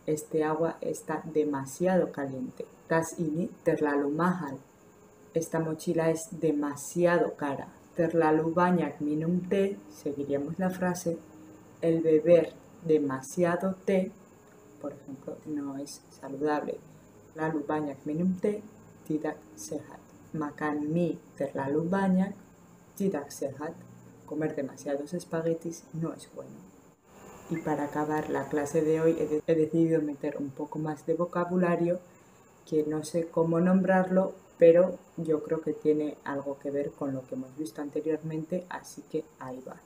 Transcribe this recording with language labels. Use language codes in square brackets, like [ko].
[es] Este agua está demasiado caliente. [id] Tas ini terlalu mahal. [es] Esta mochila es demasiado cara. [id] Terlalu banyak minum teh, [es] seguiríamos la frase. El beber demasiado té, por ejemplo, no es saludable. [id] Terlalu banyak minum teh, tidak sehat. Makan mie terlalu banyak, tidak sehat. [es] Comer demasiados espaguetis no es bueno. Y para acabar la clase de hoy he decidido meter un poco más de vocabulario, que no sé cómo nombrarlo, pero yo creo que tiene algo que ver con lo que hemos visto anteriormente, así que ahí va.